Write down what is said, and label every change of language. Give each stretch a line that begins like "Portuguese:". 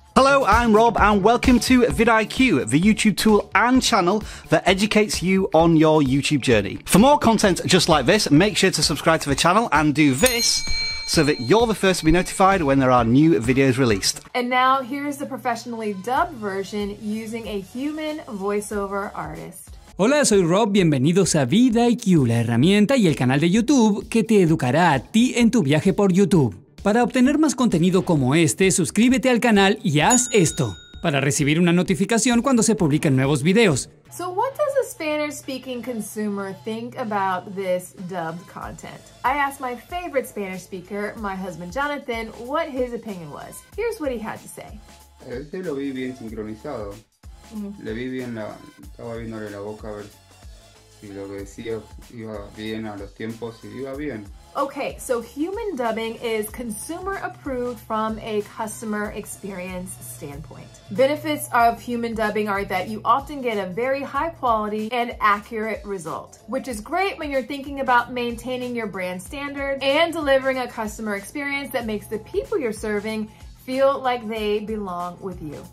English: Hello, I'm Rob, and welcome to vidIQ, the YouTube tool and channel that educates you on your YouTube journey. For more content just like this, make sure to subscribe to the channel and do this so that you're the first to be notified when there are new videos released. And now here's the professionally dubbed version using a human voiceover artist.
Spanish: Hola, soy Rob, bienvenidos a vidIQ, la herramienta y el canal de YouTube que te educará a ti en tu viaje por YouTube. Para obtener más contenido como este, suscríbete al canal y haz esto para recibir una notificación cuando se publican nuevos videos.
English: So what does a Spanish-speaking consumer think about this dubbed content? I asked my favorite Spanish speaker, my husband Jonathan, what his opinion was. Here's what he had to say.
Spanish: Este lo vi bien sincronizado. Le vi bien la... Estaba viéndole la boca a ver si lo que decía iba bien a los tiempos y iba bien.
English: Okay, so human dubbing is consumer approved from a customer experience standpoint. Benefits of human dubbing are that you often get a very high quality and accurate result, which is great when you're thinking about maintaining your brand standard and delivering a customer experience that makes the people you're serving feel like they belong with you.